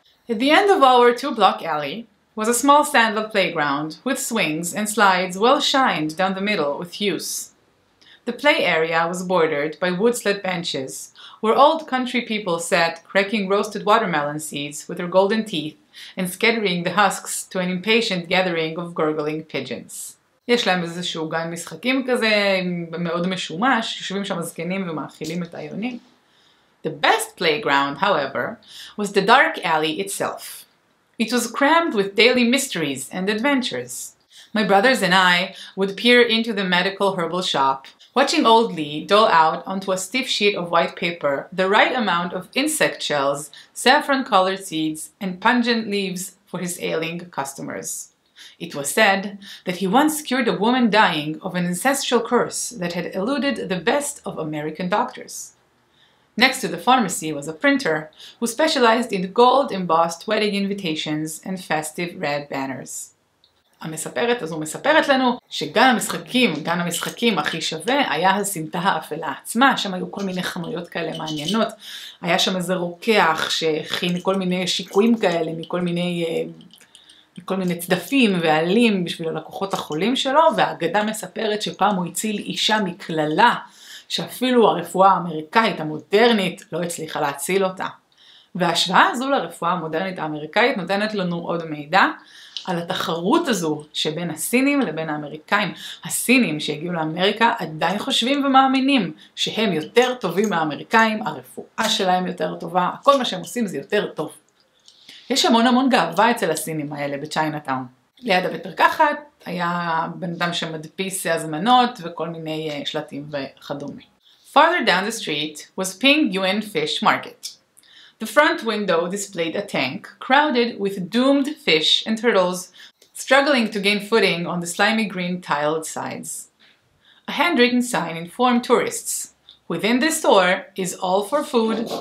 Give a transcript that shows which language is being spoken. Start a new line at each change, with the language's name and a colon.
English: At the end of our two-block alley was a small sandlot playground with swings and slides well-shined down the middle with use. The play area was bordered by wood-slit benches, where old country people sat cracking roasted watermelon seeds with their golden teeth, and scattering the husks to an impatient gathering of gurgling pigeons.
Hebrew: יש להם איזשהו גן משחקים כזה, מאוד משומש, יושבים שם זקנים ומאכילים את היונים.
English: The best playground, however, was the dark alley itself. It was crammed with daily mysteries and adventures. My brothers and I would peer into the medical herbal shop, watching old Lee dole out onto a stiff sheet of white paper the right amount of insect shells, saffron-colored seeds, and pungent leaves for his ailing customers. It was said that he once cured a woman dying of an ancestral curse that had eluded the best of American doctors. Next to the pharmacy was a printer who specialized in gold-embossed wedding invitations and festive red banners.
Hebrew: המספרת הזו מספרת לנו שגן המשחקים, גן המשחקים הכי שווה, היה הסמטה האפלה עצמה, שם היו כל מיני חנויות כאלה מעניינות, היה שם איזה רוקח שהכין כל מיני שיקויים כאלה מכל מיני צדפים ועלים בשביל הלקוחות החולים שלו, והאגדה מספרת שפעם הוא הציל אישה מכללה, שאפילו הרפואה האמריקאית המודרנית לא הצליחה להציל אותה. וההשוואה הזו לרפואה המודרנית האמריקאית נותנת לנו עוד מידע, על התחרות הזו שבין הסינים לבין האמריקאים. הסינים שהגיעו לאמריקה עדיין חושבים ומאמינים שהם יותר טובים מהאמריקאים, הרפואה שלהם יותר טובה, כל מה שהם עושים זה יותר טוב. יש המון המון גאווה אצל הסינים האלה בצ'יינאטאון. ליד הבית פרקחת היה בן אדם שמדפיס הזמנות וכל מיני שלטים וכדומה.
English: Farther down the street was Ping Yuan Fish Market. The front window displayed a tank crowded with doomed fish and turtles struggling to gain footing on the slimy green tiled sides. A handwritten sign informed tourists, "Within this store is all for food."